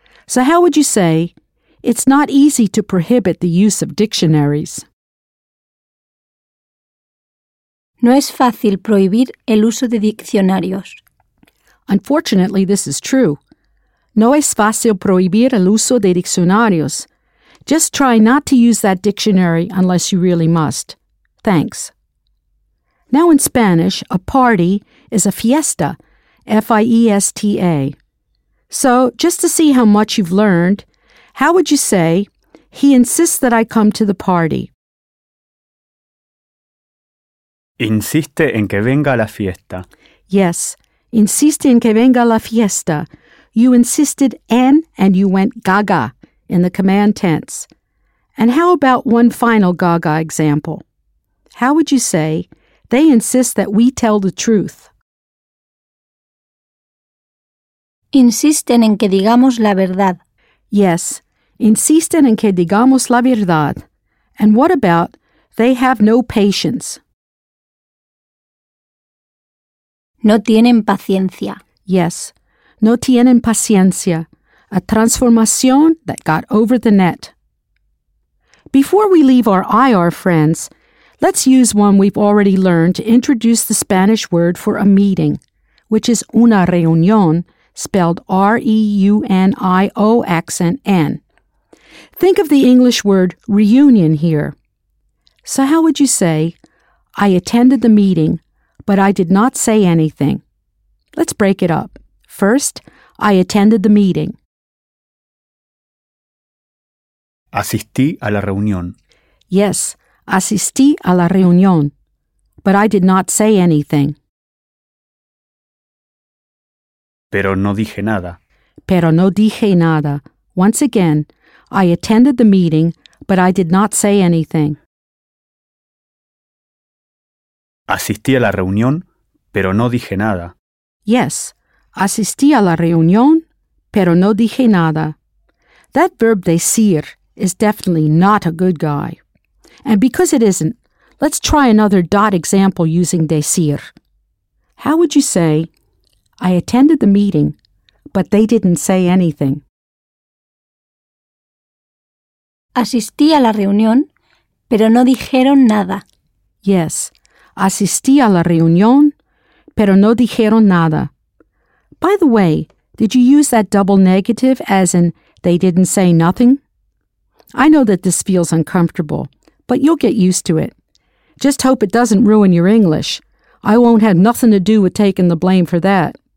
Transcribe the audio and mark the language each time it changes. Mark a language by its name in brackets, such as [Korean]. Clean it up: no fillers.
[English] So how would you say, it's not easy to prohibit the use of dictionaries? [Spanish] No es fácil prohibir el uso de diccionarios. [English] Unfortunately, this is true. [Spanish] No es fácil prohibir el uso de diccionarios. [English] Just try not to use that dictionary unless you really must. Thanks. Now in Spanish, a party is a fiesta, F-I-E-S-T-A. So, just to see how much you've learned, how would you say, he insists that I come to the party? [Spanish] Insiste en que venga la fiesta. Yes, insiste en que venga la fiesta. [English] You insisted en and you went gaga in the command tense. And how about one final gaga example? How would you say, they insist that we tell the truth? [Spanish] Insisten en que digamos la verdad. Yes, insisten en que digamos la verdad. [English] And what about, they have no patience? [Spanish] No tienen paciencia. Yes, no tienen paciencia. [English] A transformación that got over the net. Before we leave our IR friends, let's use one we've already learned to introduce the Spanish word for a meeting, which is una reunión, spelled R-E-U-N-I-O accent N. Think of the English word reunion here. So how would you say, I attended the meeting, but I did not say anything? Let's break it up. First, I attended the meeting. [Spanish] Asistí a la reunión. [English] Yes, [Spanish] asistí a la reunión, [English] but I did not say anything. [Spanish] Pero no dije nada. Pero no dije nada. [English] Once again, I attended the meeting, but I did not say anything. [Spanish] Asistí a la reunión, pero no dije nada. Yes, asistí a la reunión, pero no dije nada. [English] That verb decir is definitely not a good guy. And because it isn't, let's try another dot example using decir. How would you say, I attended the meeting, but they didn't say anything? [Spanish] Asistí a la reunión, pero no dijeron nada. Yes, asistí a la reunión, pero no dijeron nada. [English] By the way, did you use that double negative as in they didn't say nothing? I know that this feels uncomfortable, but you'll get used to it. Just hope it doesn't ruin your English. I won't have nothing to do with taking the blame for that.